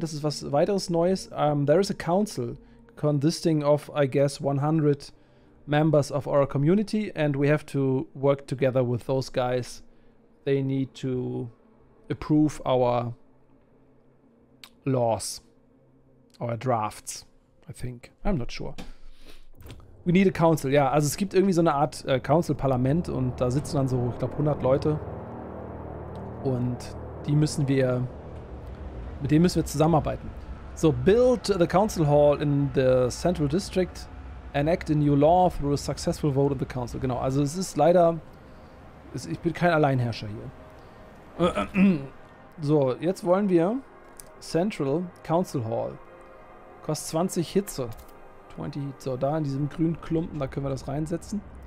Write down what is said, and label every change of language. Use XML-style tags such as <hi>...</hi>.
<en>This is</en> <de>was weiteres Neues.</de> <en>There is a council consisting of, I guess, 100 members of our community, and we have to work together with those guys. They need to approve our laws, our drafts, I think. I'm not sure. We need a council, ja.</en> <de>Also es gibt irgendwie so eine Art Council-Parlament und da sitzen dann so, ich glaube, 100 Leute. Und die müssen wir, mit denen müssen wir zusammenarbeiten.</de> <en>So, build the council hall in the central district. Enact a new law through a successful vote of the council.</en> <de>Genau, also es ist leider, ich bin kein Alleinherrscher hier. So, jetzt wollen wir central council hall. Kostet 20 Hitze. So, da in diesem grünen Klumpen, da können wir das reinsetzen.</de>